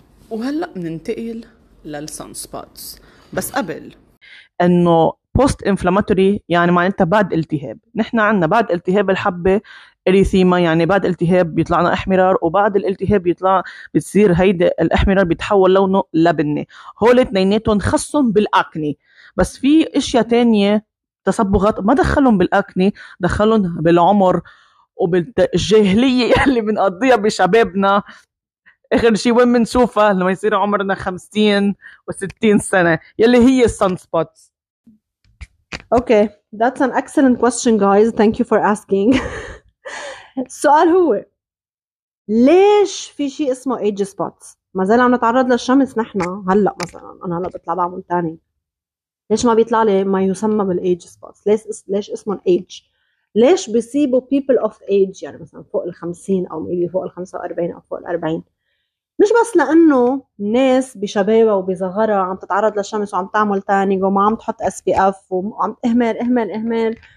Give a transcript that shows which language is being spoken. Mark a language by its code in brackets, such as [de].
[ar] وهلأ مننتقل للسان سبوتس، بس قبل انه بوست انفلاماتوري يعني معناتها بعد التهاب، نحن عندنا بعد التهاب الحبة اريثيما يعني بعد التهاب بيطلعنا احمرار، وبعد الالتهاب بيطلع بتصير هيدا الاحمرار بيتحول لونه لبني، هول اتنيناتهم خصهم بالاكني، بس في اشياء تانية تصبغات ما دخلهم بالاكني، دخلهم بالعمر وبالجاهلية اللي بنقضيها بشبابنا. اخر شيء وين منشوفها لما يصير عمرنا 50 و60 سنة يلي هي السان سبوتس. [en] Okay that's an excellent question guys thank you for asking. [ar] السؤال هو ليش في شيء اسمه age spots؟ ما زال عم نتعرض للشمس نحنا هلا مثلا انا هلا بطلع بعمل تاني، ليش ما بيطلع لي ما يسمى بالage spots؟ ليش اسمه age؟ ليش بيصيبوا [en] people of age [ar] يعني مثلا فوق 50 او [en] maybe [ar] فوق 45 او فوق 40؟ مش بس لانه ناس بشبابها وبصغرها عم تتعرض للشمس وعم تعمل تانينج وما عم تحط SPF وعم اهمل اهمل اهمل،